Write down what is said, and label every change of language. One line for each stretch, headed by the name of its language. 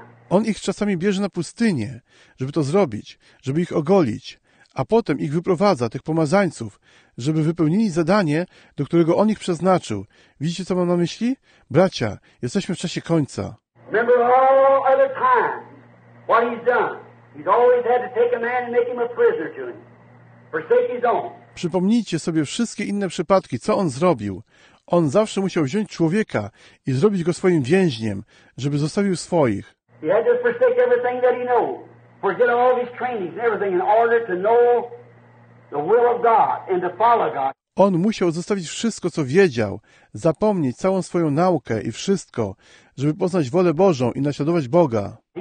Polish: On ich czasami bierze na pustynię, żeby to zrobić, żeby ich ogolić, a potem ich wyprowadza, tych pomazańców, żeby wypełnili zadanie, do którego On ich przeznaczył. Widzicie, co mam na myśli? Bracia, jesteśmy w czasie końca.
English: Remember all other times what he's done. He's always had to take a man and make him a prisoner to him. Forsake his own.
Polish: Przypomnijcie sobie wszystkie inne przypadki, co on zrobił. On zawsze musiał wziąć człowieka i zrobić go swoim więźniem, żeby zostawił swoich.
English: He had to forsake everything that he knows. Forget all his trainings and everything in order to know the will of God and to follow God.
Polish: On musiał zostawić wszystko, co wiedział, zapomnieć całą swoją naukę i wszystko, żeby poznać wolę Bożą i naśladować Boga.